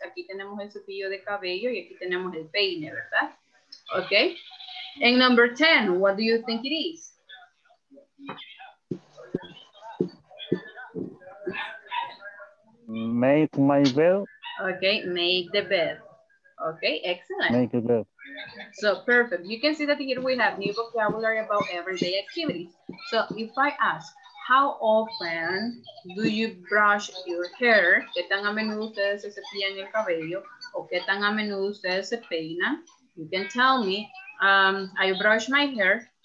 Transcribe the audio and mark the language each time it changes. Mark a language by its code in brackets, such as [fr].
[es] Aquí tenemos el cepillo de cabello y aquí tenemos el peine, ¿verdad? [en] Okay. And number 10, what do you think it is? Make my bed. Okay, make the bed. Okay, excellent. Make the bed. So perfect. You can see that here we have new vocabulary about everyday activities. So if I ask, how often do you brush your hair? [es] ¿Qué tan a menudo ustedes se cepillan el cabello? ¿O qué tan a menudo ustedes se peinan? [en] You can tell me, I brush my hair.